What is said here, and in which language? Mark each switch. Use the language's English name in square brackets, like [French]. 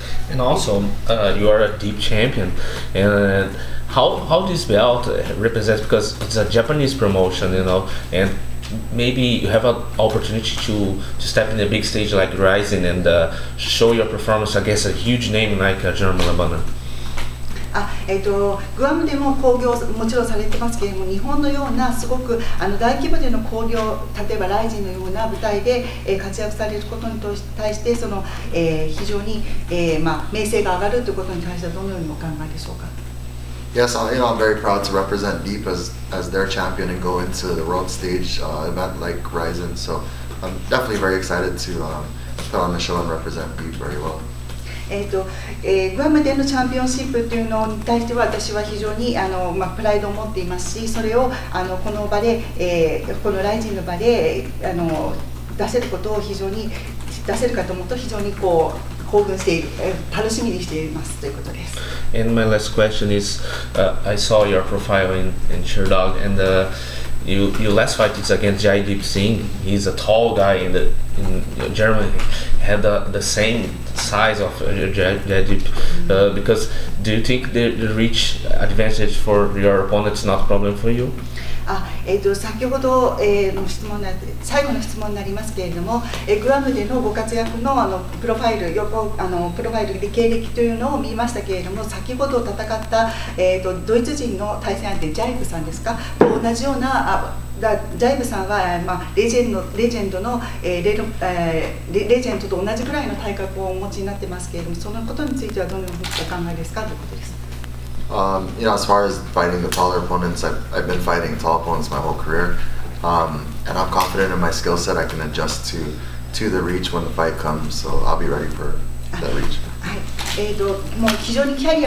[English] And also, you are a deep champion, and how this belt represents, because it's a Japanese promotion, you know, and maybe you have an opportunity to step in a big stage like Rizin and show your performance against a huge name like Jerome LeBanner. [Japanese] グアムでも興行もちろんされてますけれども、日本のようなすごく大規模での興行、例えばライジンのような舞台で活躍されることに対して、その非常に名声が上がるということに対してはどのようにお考えでしょうか。 [English] Yes, I, you know, I'm very proud to represent Deep as their champion and go into the world stage event like Rizin. So I'm definitely very excited to put on the show and represent Deep very well. [Japanese] グアムでのチャンピオンシップというのに対しては私は非常にプライドを持っていますし、それをこの場で、このRIZINの場で出せることを非常に出せるかと思うと非常にこう興奮している、楽しみにしていますということです。 [English] And my last question is, I saw your profile in Sherdog, and your last fight is against Jaideep Singh. He's a tall guy in Germany, had the same size of Jaideep. Because do you think the reach advantage for your opponent is not a problem for you? [Japanese] 先ほど、質問な最後の質問になりますけれども、グアムでのご活躍 の, プロファイル、プロファイルで経歴というのを見ましたけれども、先ほど戦った、ドイツ人の対戦相手ジャイブさんですか、同じようなジャイブさんは、レジェンドと同じくらいの体格をお持ちになってますけれども、そのことについてはどのようにお考えですかということです。 [English] You know, as far as fighting the taller opponents, I've been fighting tall opponents my whole career, and I'm confident in my skill set. I can adjust to the reach when the fight comes, so I'll be ready for that reach.